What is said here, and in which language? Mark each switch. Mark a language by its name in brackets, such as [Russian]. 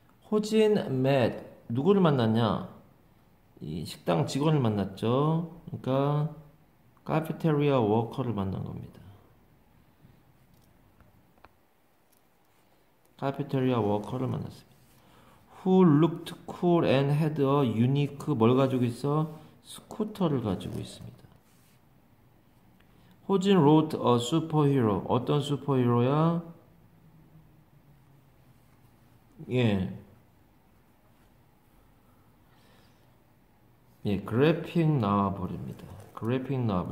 [Korean] 호진 met 누구를 만났냐? 이 식당 직원을 만났죠. 그러니까 카페테리아 워커를 만난 겁니다. 카페테리아 워커를 만났습니다. [English] Who looked cool and had a unique 뭘 가지고 있어? [Korean] 스쿠터를 가지고 있습니다. [English] 호진 wrote a superhero. 어떤 슈퍼히어로야? [Korean] 예. 예, 그래픽 나버입니다. 그래픽 나버.